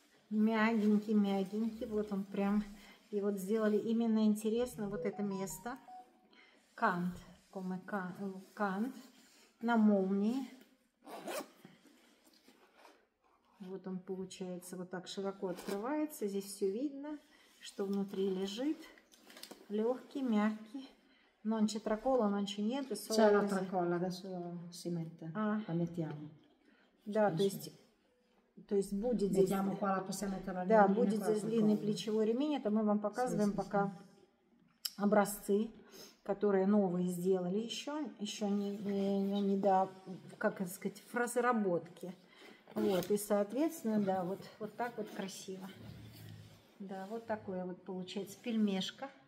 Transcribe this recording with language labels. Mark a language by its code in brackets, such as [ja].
[ru] Мягенький, мягенький. Вот он прям. И вот сделали именно интересно вот это место. Кант. Кант на молнии. Вот он получается вот так широко открывается. Здесь все видно, что внутри лежит. Легкий, мягкий. [it] Non c'è tracolla, non c'è niente. C'è la tracolla, adesso si mette. La mettiamo. [ru] Да, то есть будет здесь... [it] Mettiamo qua, la possiamo mettere la linea. [ru] Да, будет здесь длинный плечевой ремень. Это мы вам показываем пока образцы, которые новые сделали еще. Еще не до, как это сказать, фразоработки. Вот, и соответственно, да, вот так вот красиво. Да, вот такое вот получается пельмешка.